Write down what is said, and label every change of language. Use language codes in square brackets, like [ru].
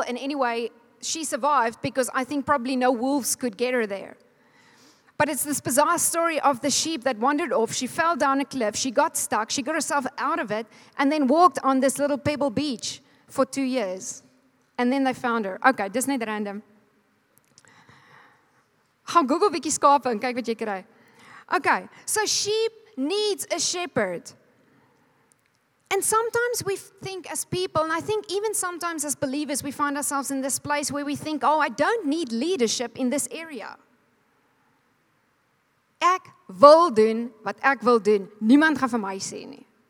[en] And anyway, she survived because I think probably no wolves could get her there. But it's this bizarre story of the sheep that wandered off. She fell down a cliff. She got stuck. She got herself out of it and then walked on this little pebble beach for 2 years. And then they found her. Okay, [af] dis net random. Gaan Google bietjie skape en kyk wat jy kry. [en] Okay, so sheep needs a shepherd. And sometimes we think as people, and I think even sometimes as believers, we find ourselves in this place where we think, oh, I don't need leadership in this area. [af] Ek wil doen wat ek wil doen. Niemand gaan vir my sê nie.